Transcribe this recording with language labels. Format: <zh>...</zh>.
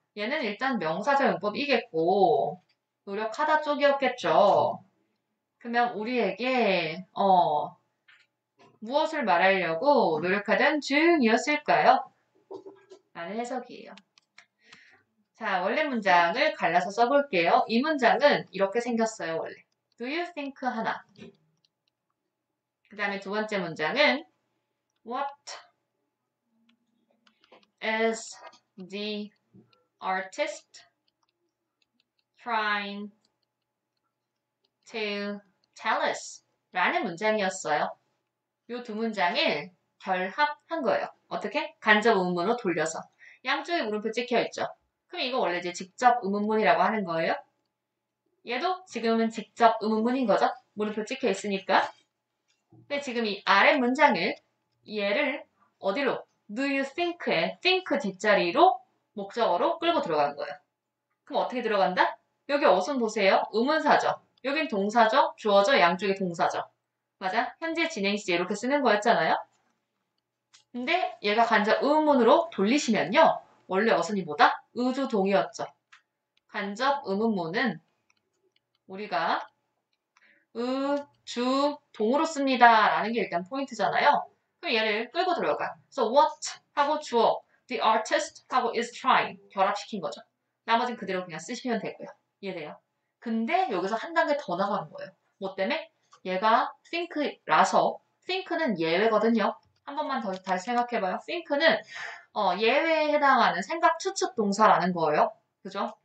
<ko>얘는 일단 명사적 문법이겠고 노력하다 쪽이었겠죠. 그러면 우리에게 무엇을 말하려고 노력하던 중이었을까요? 라는 해석이에요. 자, 원래 문장을 갈라서 써볼게요. 이 문장은 이렇게 생겼어요, 원래.</ko> <en>Do you think</en> <ko>하나. 그다음에 두 번째 문장은</ko> <en>what is the artist trying to tell us?</en> <ko>라는 문장이었어요. 이두 문장을 결합한 거예요. 어떻게? 간접 의문문으로 돌려서. 양쪽에 물음표 찍혀 있죠? 그럼 이거 원래 이제 직접 의문문이라고 하는 거예요? 얘도 지금은 직접 의문문인 거죠? 물음표 찍혀 있으니까. 근데 지금 이 아래 문장을, 얘를 어디로?</ko> <en>Do you think</en> <ko>에 think 뒷자리로 목적어로 끌고 들어간 거예요. 그럼 어떻게 들어간다? 여기 어순 보세요. 의문사죠. 여긴 동사죠. 주어죠. 양쪽이 동사죠. 맞아? 현재 진행 시제 이렇게 쓰는 거였잖아요. 근데 얘가 간접 의문문으로 돌리시면요. 원래 어순이 뭐다? 의조동이었죠. 간접 의문문은 우리가 의주동으로 씁니다라는 게 일단 포인트잖아요. 그럼 얘를 끌고 들어가.</ko> <en>So what</en> <ko>하고 주어,</ko> <en>the artist 하고 is trying</en> <ko>결합시킨 거죠. 나머지는 그대로 그냥 쓰시면 되고요. 이해돼요? 근데 여기서 한 단계 더 나가는 거예요. 뭐 때문에? 얘가 think라서 think는 예외거든요. 한 번만 더 다시 생각해봐요. think는 예외에 해당하는 생각 추측 동사라는 거예요. 그죠?</ko>